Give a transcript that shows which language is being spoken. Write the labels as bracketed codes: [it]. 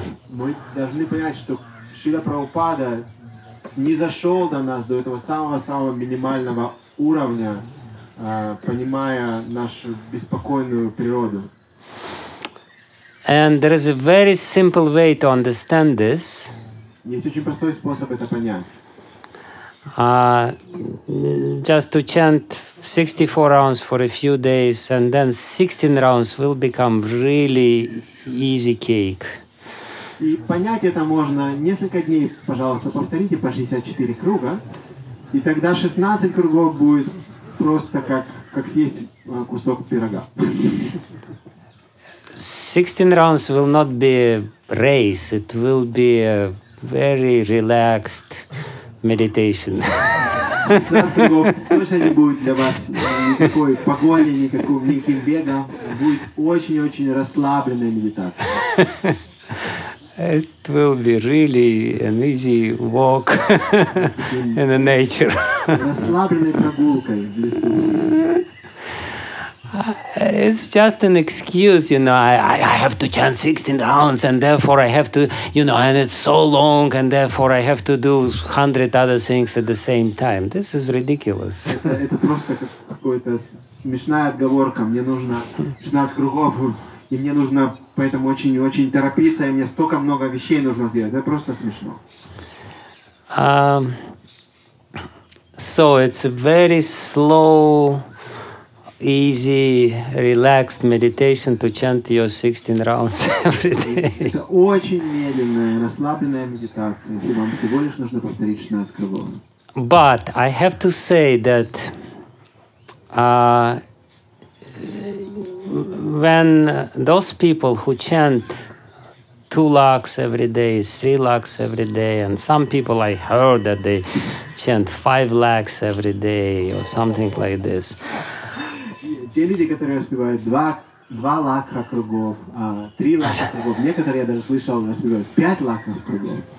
[ru] Мы должны понять, что Шрила Прабхупада снизошел до нас до этого самого-самого минимального уровня, понимая нашу беспокойную природу. [en] And there is a very simple way to understand this. [ru] Есть очень простой способ это понять. [en] Just to chant 64 rounds for a few days, and then 16 rounds will become really easy cake. [ru] И понять это можно несколько дней, пожалуйста, повторите по 64 круга, и тогда 16 кругов будет просто как съесть кусок пирога. [en] 16 rounds will not be a race, it will be a very relaxed meditation. [ru] Точно не будет для вас никакой погони, никаких бега. Будет очень-очень расслабленная медитация. [en] It will be really an easy walk in the nature. [ru] Расслабленной прогулкой в лесу. [en] It's just an excuse, you know, I have to chant 16 rounds and therefore I have to, you know, and it's so long and therefore I have to do 100 other things at the same time. This is ridiculous. [ru] Это просто какая-то смешная отговорка. Мне нужно 16 кругов, и мне нужно поэтому очень-очень торопиться, и мне столько много вещей нужно сделать. Это просто смешно. [en] So it's a very slow, easy, relaxed meditation to chant your 16 rounds every day. [ru] Это очень медленная, расслабленная медитация, если вам всего лишь нужно повторить 16 кругов. [en] But I have to say that when those people who chant 2 lakhs every day, 3 lakhs every day, and some people I heard that they chant 5 lakhs every day or something like this. [ru] Те люди, которые распевают 2 лакха кругов, 3 лакха кругов, некоторые, я даже слышал, распевают 5 лакха кругов.